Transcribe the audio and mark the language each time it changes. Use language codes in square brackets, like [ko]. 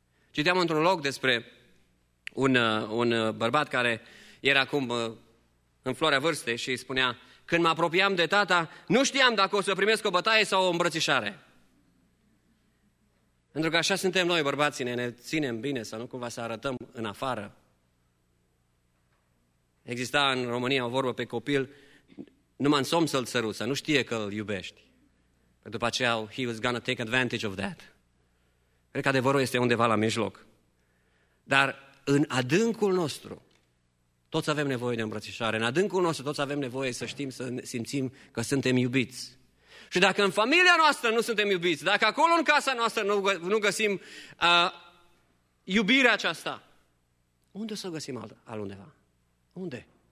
[ro] Citeam într-un loc despre un bărbat care era acum în floarea vârstei și îi spunea: când mă apropiam de tata, nu știam dacă o să primesc o bătaie sau o îmbrățișare. Pentru că așa suntem noi, bărbații, ne ținem bine sau nu cumva să arătăm în afară. Exista în România o vorbă pe copil: numai în somn să-l săruți, să nu știe că îl iubești. Pentru după aceea, [en] he was gonna take advantage of that. [ro] Cred că adevărul este undeva la mijloc. Dar în adâncul nostru, toți avem nevoie de îmbrățișare. În adâncul nostru, toți avem nevoie să știm, să simțim că suntem iubiți. Și dacă în familia noastră nu suntem iubiți, dacă acolo în casa noastră nu găsim iubirea aceasta, unde să o găsim altundeva? Unde?